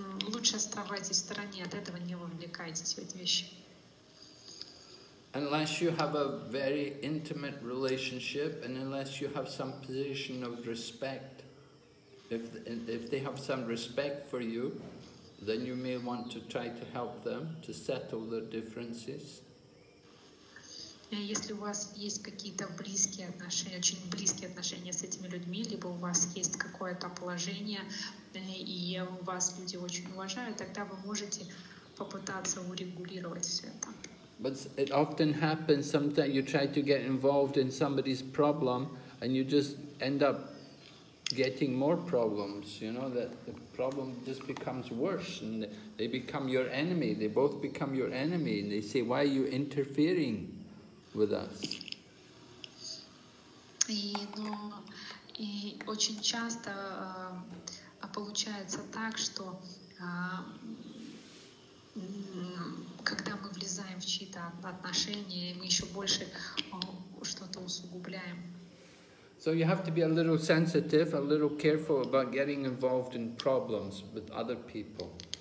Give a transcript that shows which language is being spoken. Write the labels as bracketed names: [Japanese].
[Russian] Лучше оставайтесь в стороне, от этого не вовлекайтесь в эти вещи. [English] Unless you have a very intimate relationship, and unless you have some position of respect, if they have some respect for you, then you may want to try to help them to settle their differences. [Russian] Если у вас есть какие-то близкие отношения, очень близкие отношения с этими людьми, либо у вас есть какое-то положение, и вас люди очень уважают, тогда вы можете попытаться урегулировать все это. [English] But it often happens, sometimes you try to get involved in somebody's problem, and you just end up getting more problems, you know, that the problem just becomes worse, and they become your enemy, they both become your enemy, and they say, why are you interfering? With us. [Russian] И очень часто получается так, что когда мы влезаем в чьи-то отношения, мы еще больше что-то усугубляем. [English] So you have to be a little sensitive, a little careful about getting involved in problems with other people.